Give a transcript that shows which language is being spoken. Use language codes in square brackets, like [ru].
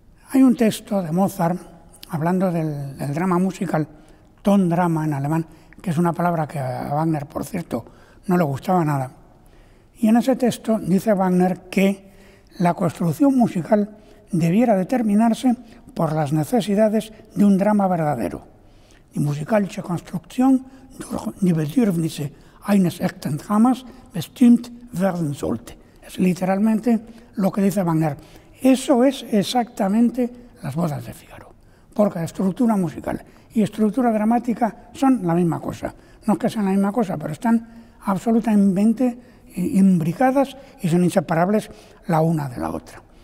[es] Hay un texto de Mozart, hablando del drama musical, Tondrama en alemán, que es una palabra que a Wagner, por cierto, no le gustaba nada. Y en ese texto dice Wagner que la construcción musical debiera determinarse por las necesidades de un drama verdadero. [de] Die musikalische Konstruktion durch die Bedürfnisse eines echten Dramas bestimmt werden sollte. [es] Es literalmente lo que dice Wagner. Eso es exactamente las bodas de Fígaro. Porque la estructura musical y estructura dramática son la misma cosa. No es que sean la misma cosa, pero están absolutamente imbricadas y son inseparables la una de la otra.